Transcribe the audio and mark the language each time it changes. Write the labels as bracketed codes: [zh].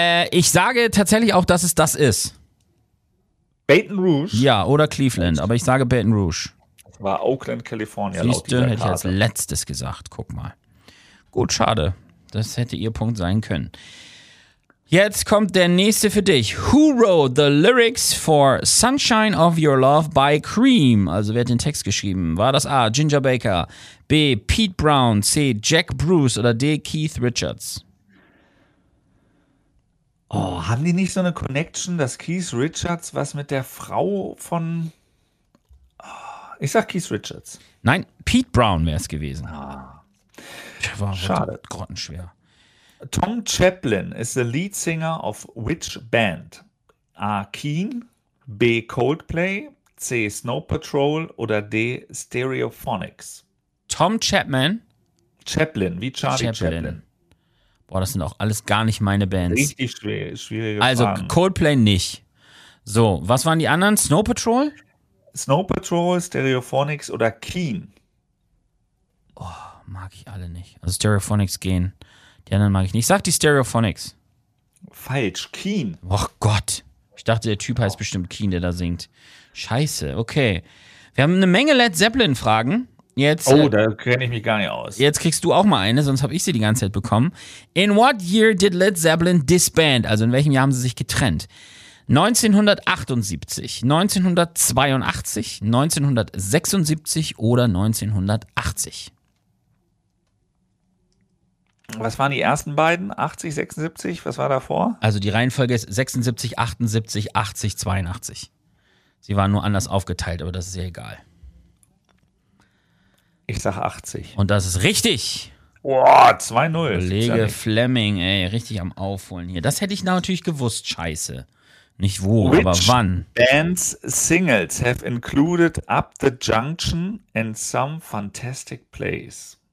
[de] Ich sage tatsächlich auch, dass es das ist. Baton Rouge? Ja, oder Cleveland, aber ich sage Baton Rouge. Das war Oakland, California. Siehst du, hätte ich als letztes gesagt, guck mal. Gut, schade, das hätte ihr Punkt sein können. Jetzt kommt der nächste für dich. [en] Who wrote the lyrics for Sunshine of Your Love by Cream? [de] Also wer hat den Text geschrieben? War das A, Ginger Baker, B, Pete Brown, C, Jack Bruce oder D, Keith Richards? Oh, haben die nicht so eine Connection, dass Keith Richards was mit der Frau von... Oh, ich sag Keith Richards. Nein, Pete Brown wäre es gewesen. Ah, war schade. Grottenschwer. [en] Tom Chaplin is the lead singer of which band? [de] A. Keane, B. Coldplay, C. Snow Patrol oder D. Stereophonics? Tom Chapman? Chaplin, wie Charlie Chaplin. Boah, das sind auch alles gar nicht meine Bands. Richtig schwierige Fragen. Also Coldplay nicht. So, was waren die anderen? Snow Patrol? Snow Patrol, Stereophonics oder Keane? Oh, mag ich alle nicht. Also Stereophonics gehen. Die anderen mag ich nicht. Sag die Stereophonics. Falsch. Keen. Oh Gott. Ich dachte, der Typ heißt bestimmt Keen, der da singt. Scheiße. Okay. Wir haben eine Menge Led Zeppelin-Fragen. Jetzt, oh, da kenne ich mich gar nicht aus. Jetzt kriegst du auch mal eine, sonst habe ich sie die ganze Zeit bekommen. [en] In what year did Led Zeppelin disband? [de] Also in welchem Jahr haben sie sich getrennt? 1978, 1982, 1976 oder 1980? Was waren die ersten beiden? 80, 76? Was war davor? Also die Reihenfolge ist 76, 78, 80, 82. Sie waren nur anders aufgeteilt, aber das ist ja egal. Ich sage 80. Und das ist richtig. Boah, 2-0. Kollege Fleming, ey, richtig am Aufholen hier. Das hätte ich natürlich gewusst, scheiße. Nicht wo, [en] which [de] aber wann. [en] Bands singles have included Up the Junction and Some Fantastic Place?